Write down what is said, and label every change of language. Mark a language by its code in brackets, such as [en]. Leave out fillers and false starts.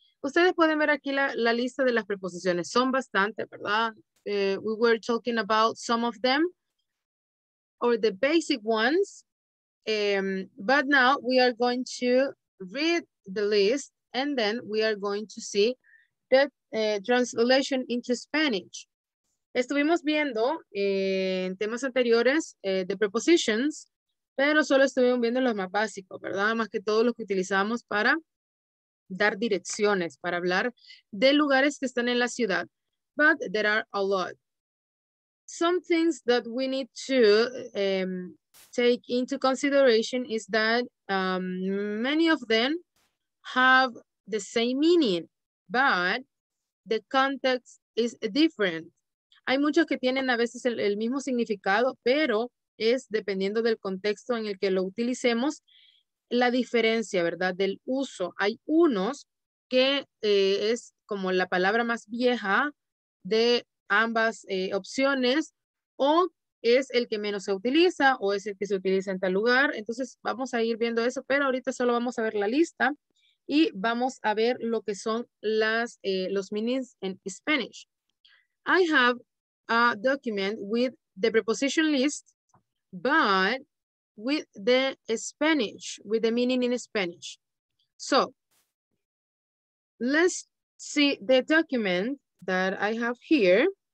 [es] Ustedes pueden ver aquí la lista de las preposiciones. Son bastante, ¿verdad? [en] We were talking about some of them or the basic ones. But now we are going to read the list and then we are going to see the translation into Spanish. [es] Estuvimos viendo en temas anteriores [en] the prepositions, [es] pero solo estuvimos viendo los más básicos, ¿verdad? Más que todos los que utilizamos para dar direcciones, para hablar de lugares que están en la ciudad. [en] But there are a lot. Some things that we need to take into consideration is that many of them have the same meaning, but the context is different. [es] Hay muchos que tienen a veces el mismo significado, pero es dependiendo del contexto en el que lo utilicemos, la diferencia, ¿verdad?, del uso. Hay unos que es como la palabra más vieja de ambas opciones, o es el que menos se utiliza, o es el que se utiliza en tal lugar. Entonces, vamos a ir viendo eso, pero ahorita solo vamos a ver la lista y vamos a ver lo que son las, los meanings en Spanish. [en] I have a document with the preposition list, but with the Spanish, with the meaning in Spanish. So, let's see the document that I have here.